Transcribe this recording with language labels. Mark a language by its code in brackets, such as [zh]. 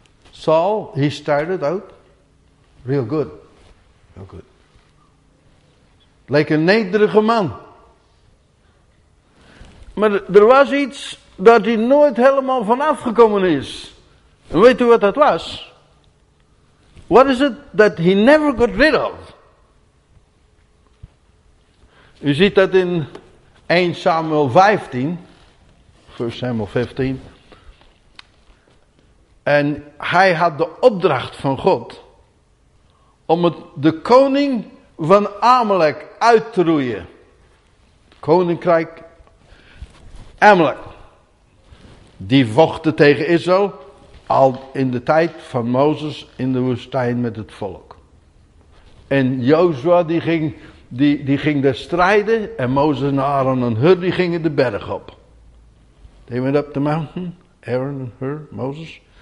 [en] Saul, he started out real good. Real good. [nl] Leek een nederige man. Maar er was iets dat hij nooit helemaal vanaf gekomen is. En weet u wat dat was? [en] What is it that he never got rid of? [nl] U ziet dat in 1 Samuel 15, 1 Samuel 15. En hij had de opdracht van God om de koning van Amalek uit te roeien. Koninkrijk Amalek. Die vochten tegen Israël al in de tijd van Mozes in de woestijn met het volk. En Jozua die ging... Die ging daar strijden en Mozes en Aaron en Hur die gingen de berg op. [en] They went up the mountain, Aaron and Hur, Moses.